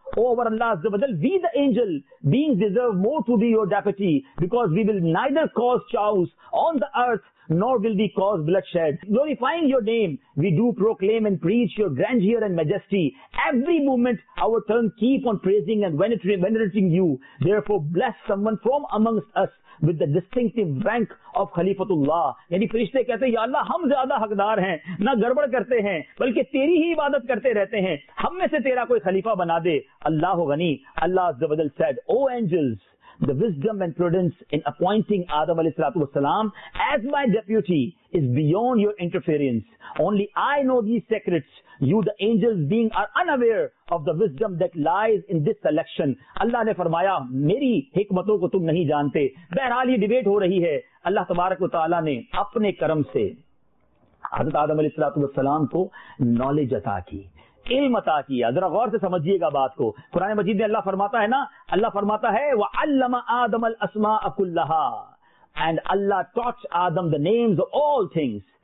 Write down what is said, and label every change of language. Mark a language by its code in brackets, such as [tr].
[en] Over Allah Azza wa Jal, we the angel beings deserve more to be your deputy, because we will neither cause chaos on the earth nor will we cause bloodshed. Glorifying your name, we do proclaim and preach your grandeur and majesty. Every moment our tongue keep on praising and venerating you. Therefore bless someone from amongst us with the distinctive rank of Khalifatullah. [ur] یعنی فرشتے کہتے ہیں, یا اللہ ہم زیادہ حقدار ہیں, نہ گڑبڑ کرتے ہیں بلکہ تیری ہی عبادت کرتے رہتے ہیں, ہم میں سے تیرا کوئی خلیفہ بنا دے. [en] اللہ غنی, اللہ عز و جل said, O angels, the wisdom and prudence in appointing Adam alayhi salatu wasalam as my deputy is beyond your interference. Only I know these secrets. You the angels being are unaware of the wisdom that lies in this selection. [ur] Allah نے فرمایا, میری حکمتوں کو تم نہیں جانتے. بہرحال یہ debate ہو رہی ہے. اللہ تبارک و تعالیٰ نے اپنے کرم سے حضرت آدم علیہ السلام کو نالج عطا کی, علم عطا کیا. ذرا غور سے سمجھیے گا بات کو. قرآن مجید میں اللہ فرماتا ہے نا, اللہ فرماتا ہے, [ar] وعلم آدم الاسماء كلها [en] and Allah taught Adam the names of all things.